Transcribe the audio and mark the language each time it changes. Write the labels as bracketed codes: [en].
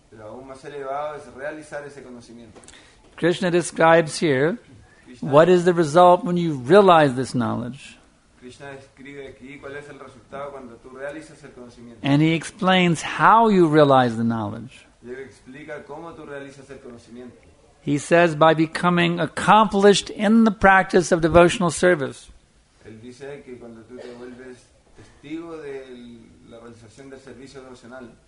[es] Pero aún más elevado es realizar ese conocimiento. [en] Krishna describes here Krishna, what is the result when you realize this knowledge. [es] Krishna describe aquí cuál es el resultado cuando tú realizas el conocimiento. [en] And he explains how you realize the knowledge. [es] Y él explica cómo tú realizas el conocimiento. [en] He says by becoming accomplished in the practice of devotional service. [es] Él dice que cuando tú te vuelves testigo de la realización del servicio devocional.